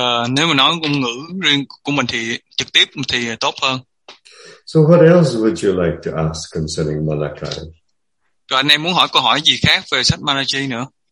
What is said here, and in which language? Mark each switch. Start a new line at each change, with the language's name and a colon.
Vietnamese: Nếu mà nói ngôn ngữ riêng của mình thì trực tiếp thì tốt hơn.
English: So what else would you like to ask concerning Malachi?
Vietnamese: Rồi anh em muốn hỏi câu hỏi gì khác về sách Malachi nữa?